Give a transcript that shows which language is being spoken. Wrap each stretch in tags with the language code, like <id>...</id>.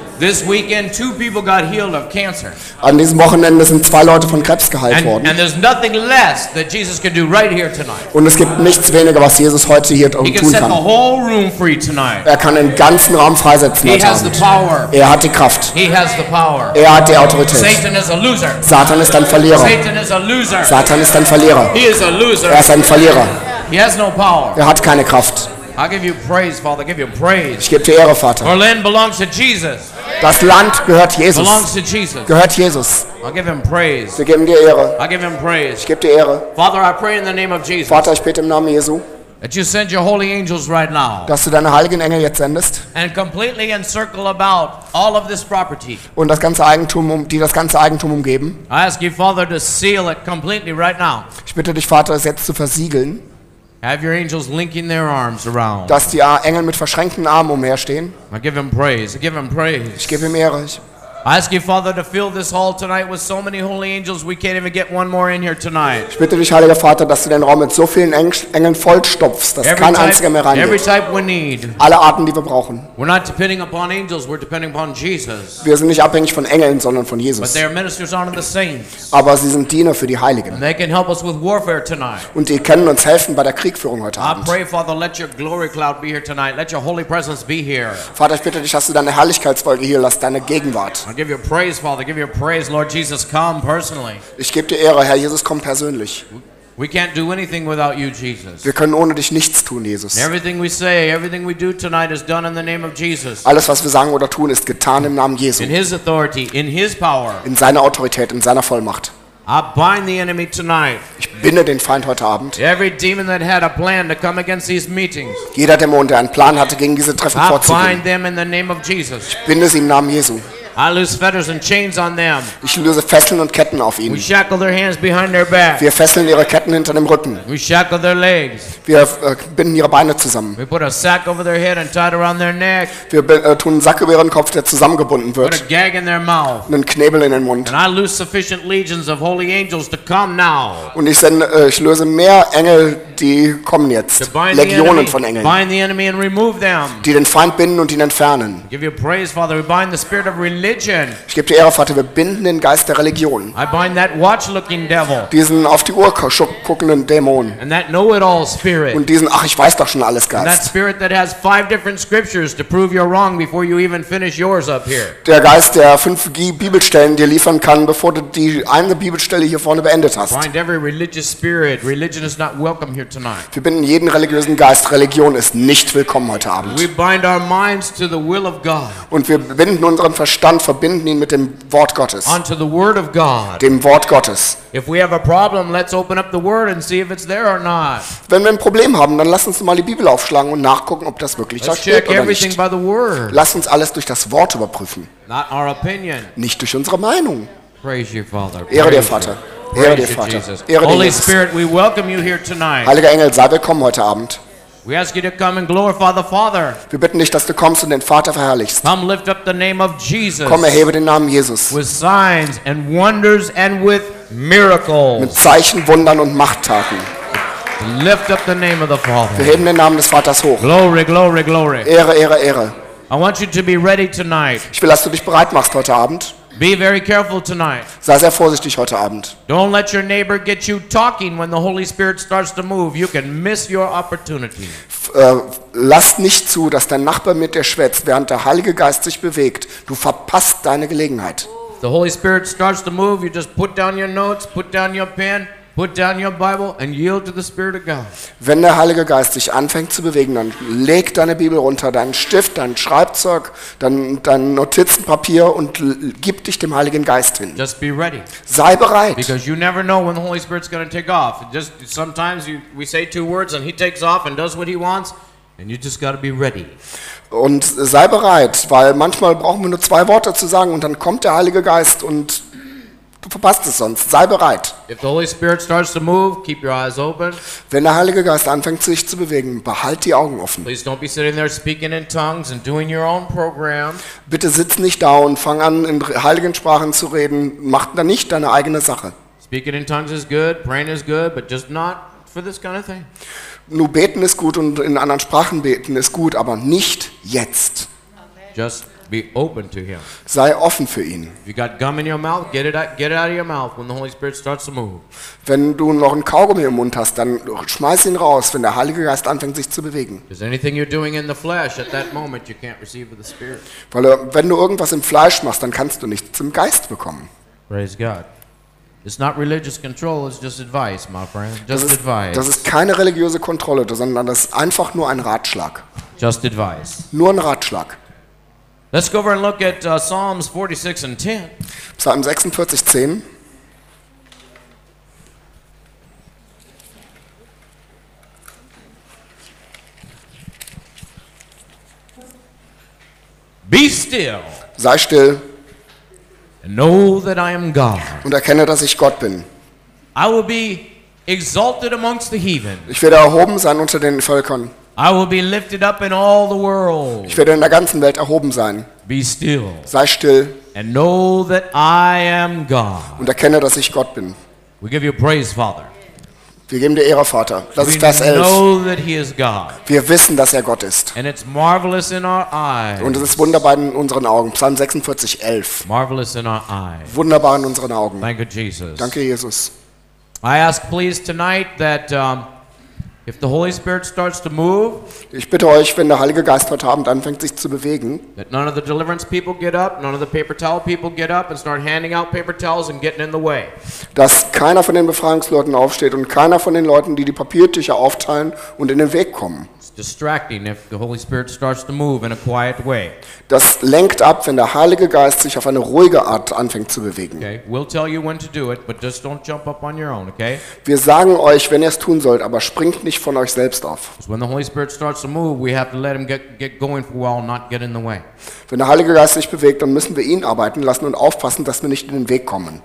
<en>This weekend, two people got healed of cancer.</en> <de>An diesem Wochenende sind zwei Leute von Krebs geheilt worden.</de> <en>And there's nothing less that Jesus can do right here tonight.</en> <de>Und es gibt nichts weniger, was Jesus heute hier tun kann.</de> <en>He can set the whole room free tonight.</en> <de>Er kann den ganzen Raum freisetzen.</de> <en>He has the power.</en> <de>Er hat die Kraft.</de> <en>He has the power.</en> <de>Er hat die Autorität.</de> <en>Satan is a loser.</en> <de>Satan ist ein Verlierer.</de> <en>Satan is a loser.</en> <de>Satan ist ein Verlierer.</de> <en>He is a loser.</en> <de>Er ist ein Verlierer.</de> <en>He has no power.</en> <de>Er hat keine Kraft.</de> <en>I give you praise, Father. I give you praise.</en> <de>Ich gebe dir Ehre, Vater.</de> <en>Our land belongs to Jesus.</en> <de>Das Land gehört Jesus.</de> <en>Belongs to Jesus.</en> <de>Gehört Jesus.</de> <en>I give him praise.</en> <de>Wir geben dir Ehre.</de> <en>I give him praise.</en> <de>Ich gebe dir Ehre.</de> <en>Father, I pray in the name of Jesus.</en> <de>Vater, ich bete im Namen Jesu.</de> <en>That you send your holy angels right now.</en> <de>Dass du deine heiligen Engel jetzt sendest.</de> <en>And completely encircle about all of this property.</en> <de>Und das ganze Eigentum, die das ganze Eigentum umgeben.</de> <en>I ask you, Father, to seal it completely right now.</en> <de>Ich bitte dich, Vater, es jetzt zu versiegeln.</de> <en>Have your angels linking their arms around.</en> <de>Dass die Engel mit verschränkten Armen umherstehen.</de> <en>I give him praise. I give him praise.</en> <de>Ich gebe ihm Ehre. Ich bitte dich, Heiliger Vater, dass du den Raum mit so vielen Engeln vollstopfst, dass kein einziger mehr reingeht. Alle Arten, die wir brauchen.</de> <en>We're not depending upon angels, we're depending upon Jesus.</en> <de>Wir sind nicht abhängig von Engeln, sondern von Jesus.</de> <en>But they are ministers unto the saints.</en> <de>Aber sie sind Diener für die Heiligen.</de> <en>And they can help us with warfare tonight.</en> <de>Und die können uns helfen bei der Kriegführung heute Abend.</de> <en>I pray, Father, let your glory cloud be here tonight. Let your holy presence be here.</en> <de>Vater, ich bitte dich, dass du deine Herrlichkeitswolke hier lässt, deine Gegenwart.</de> <en>I'll give you praise, Father. Give you praise, Lord Jesus. Come personally.</en> <de>Ich gebe dir Ehre, Herr Jesus, komm persönlich.</de> <en>We can't do anything without you, Jesus.</en> <de>Wir können ohne dich nichts tun, Jesus.</de> <en>Everything we say, everything we do tonight is done in the name of Jesus.</en> <de>Alles, was wir sagen oder tun, ist getan im Namen Jesu.</de> <en>In His authority, in His power.</en> <de>In seiner Autorität, in seiner Vollmacht.</de> <en>I bind the enemy tonight.</en> <de>Ich binde den Feind heute Abend.</de> <en>Every demon that had a plan to come against these meetings.</en> <de>Jeder Dämon, der einen Plan hatte, gegen diese Treffen vorzugehen.</de> <en>I bind them in the name of Jesus.</en> <de>Ich binde sie im Namen Jesu.</de> <en>I lose fetters and chains on them.</en> <de>Ich löse Fesseln und Ketten auf ihnen.</de> <en>We shackle their hands behind their back.</en> <de>Wir fesseln ihre Ketten hinter dem Rücken.</de> <en>We shackle their legs.</en> <de>Wir binden ihre Beine zusammen.</de> <en>We put a sack over their head and tie it around their neck.</en> <de>Wir tun einen Sack über ihren Kopf, der zusammengebunden wird.</de> <en>Put a gag in their mouth.</en> <de>Einen Knebel in den Mund.</de> <en>And I lose sufficient legions of holy angels to come now.</en> <de>Und ich löse mehr Engel, die kommen jetzt. Legionen von Engeln.</de> <en>Bind the enemy and remove them.</en> <de>Die den Feind binden und ihn entfernen.</de> <en>Give you praise, Father. We bind the spirit of religion.</en> <de>Ich gebe dir Ehre, Vater, wir binden den Geist der Religion.</de> <en>I bind that watch-looking devil.</en> <de>Diesen auf die Uhr guckenden Dämon.</de> <en>And that know-it-all spirit.</en> <de>Und diesen, ach, ich weiß doch schon alles, Geist.</de> <en>And that spirit that has five different scriptures to prove you're wrong before you even finish yours up here.</en> <de>Der Geist, der 5 Bibelstellen dir liefern kann, bevor du die eine Bibelstelle hier vorne beendet hast.</de> <en>Bind every religious spirit. Religion is not welcome here tonight.</en> <de>Wir binden jeden religiösen Geist. Religion ist nicht willkommen heute Abend.</de> <en>We bind our minds to the will of God.</en> <de>Und wir binden unseren Verstand, verbinden ihn mit dem Wort Gottes.</de> <en>Unto the word of God.</en> <de>Dem Wort Gottes.</de> <en>If we have a problem, let's open up the word and see if it's there or not.</en> <de>Wenn wir ein Problem haben, dann lass uns mal die Bibel aufschlagen und nachgucken, ob das wirklich da steht oder</de> <en>everything</en> <de>nicht.</de> <en>By the word.</en> <de>Lass uns alles durch das Wort überprüfen.</de> <en>Not our opinion.</en> <de>Nicht durch unsere Meinung.</de> <en>Praise you, Father.</en> <de>Ehre dir, Vater. Ehre dir, Vater. Ehre dir,</de> <en>Holy Spirit, we welcome you here tonight.</en> <de>Heiliger Engel, sei willkommen heute Abend.</de> <en>We ask you to come and glorify the Father.</en> <de>Wir bitten dich, dass du kommst und den Vater verherrlichst.</de> <en>Come lift up the name of Jesus.</en> <de>Komm, erhebe den Namen Jesus.</de> <en>With signs and wonders and with miracles.</en> <de>Mit Zeichen, Wundern und Machttaten.</de> <en>Lift up the name of the Father.</en> <de>Wir heben den Namen des Vaters hoch.</de> <en>Glory, glory, glory.</en> <de>Ehre, Ehre, Ehre.</de> <en>I want you to be ready tonight.</en> <de>Ich will, dass du dich bereit machst heute Abend.</de> <en>Be very careful tonight.</en> <de>Sei sehr vorsichtig heute Abend.</de> <en>Don't let your neighbor get you talking when the Holy Spirit starts to move. You can miss your opportunity.</en> <de>Lass nicht zu, dass dein Nachbar mit dir schwätzt, während der Heilige Geist sich bewegt. Du verpasst deine Gelegenheit.</de> <en>The Holy Spirit starts to move. You just put down your notes, put down your pen, put down your Bible and yield to the Spirit of God.</en> <de>Wenn der Heilige Geist sich anfängt zu bewegen, dann leg deine Bibel runter, deinen Stift, dein Schreibzeug, dein Notizenpapier und gib dich dem Heiligen Geist hin.</de> <en>Just be ready.</en> <de>Sei bereit.</de> <en>Because you never know when the Holy Spirit's going to take off. Just sometimes we say two words and he takes off and does what he wants and you just got to be ready.</en> <de>Und sei bereit, weil manchmal brauchen wir nur zwei Worte zu sagen und dann kommt der Heilige Geist und du verpasst es sonst. Sei bereit.</de> <en>If the Holy Spirit starts to move, keep your eyes open.</en> <de>Wenn der Heilige Geist anfängt, sich zu bewegen, behalt die Augen offen.</de> <en>Please don't be sitting there speaking in tongues and doing your own program.</en> <de>Bitte sitz nicht da und fang an, in heiligen Sprachen zu reden. Mach da nicht deine eigene Sache.</de> <en>Speaking in tongues is good, praying is good, but just not for this kind of thing.</en> <de>Nur beten ist gut und in anderen Sprachen beten ist gut, aber nicht jetzt.</de> <en>Just be open to him.</en> <de>Sei offen für ihn.</de> <en>If you got gum in your mouth, get it out of your mouth when the Holy Spirit starts to move.</en> <de>Wenn du noch einen Kaugummi im Mund hast, dann schmeiß ihn raus, wenn der Heilige Geist anfängt, sich zu bewegen.</de> <en>Because anything you're doing in the flesh at that moment, you can't receive with the Spirit.</en> <de>Weil wenn du irgendwas im Fleisch machst, dann kannst du nichts im Geist bekommen.</de> <en>Praise God. It's not religious control, it's just advice, my friend. Just advice.</en> <de>Das ist keine religiöse Kontrolle, sondern das ist einfach nur ein Ratschlag.</de> <en>Just advice.</en> <de>Nur ein Ratschlag.</de> <en>Let's go over and look at Psalms 46 and 10.</en> <de>Psalm 46, 10.</de> <en>Be still.</en> <de>Sei still.</de> <en>And know that I am God.</en> <de>Und erkenne, dass ich Gott bin.</de> <en>I will be exalted amongst the heathen.</en> <de>Ich werde erhoben sein unter den Völkern.</de> <en>I will be lifted up in all the world.</en> <de>Ich werde in der ganzen Welt erhoben sein.</de> <en>Be still.</en> <de>Sei still.</de> <en>And know that I am God.</en> <de>Und erkenne, dass ich Gott bin.</de> <en>We give you praise, Father.</en> <de>Wir geben dir Ehre, Vater. Das ist Vers 11. Wir wissen, dass er Gott ist.</de> <en>And it's marvelous in our eyes.</en> <de>Und es ist wunderbar in unseren Augen. Psalm 46, 11.</de> <en>Marvelous in our eyes.</en> <de>Wunderbar in unseren Augen.</de> <en>Thank you, Jesus.</en> <de>Danke, Jesus.</de> <en>I ask please tonight that if the Holy Spirit starts to move,</en> <de>ich bitte euch, wenn der Heilige Geist heute Abend anfängt sich zu bewegen,</de> <en>that none of the deliverance people get up, none of the paper towel people get up and start handing out paper towels and getting in the way.</en> <de>Dass keiner von den Befreiungsleuten aufsteht und keiner von den Leuten, die die Papiertücher aufteilen und in den Weg kommen.</de> <en>It's distracting if the Holy Spirit starts to move in a quiet way.</en> <de>Das lenkt ab, wenn der Heilige Geist sich auf eine ruhige Art anfängt zu bewegen.</de> <en>Okay, we'll tell you when to do it, but just don't jump up on your own, okay?</en> <de>Wir sagen euch, wenn ihr es tun sollt, aber springt nicht von euch selbst auf.</de> <en>When the Holy Spirit starts to move, we have to let him get going for a while, not get in the way.</en> <de>Wenn der Heilige Geist sich bewegt, dann müssen wir ihn arbeiten lassen und aufpassen, dass wir nicht in den Weg kommen.</de>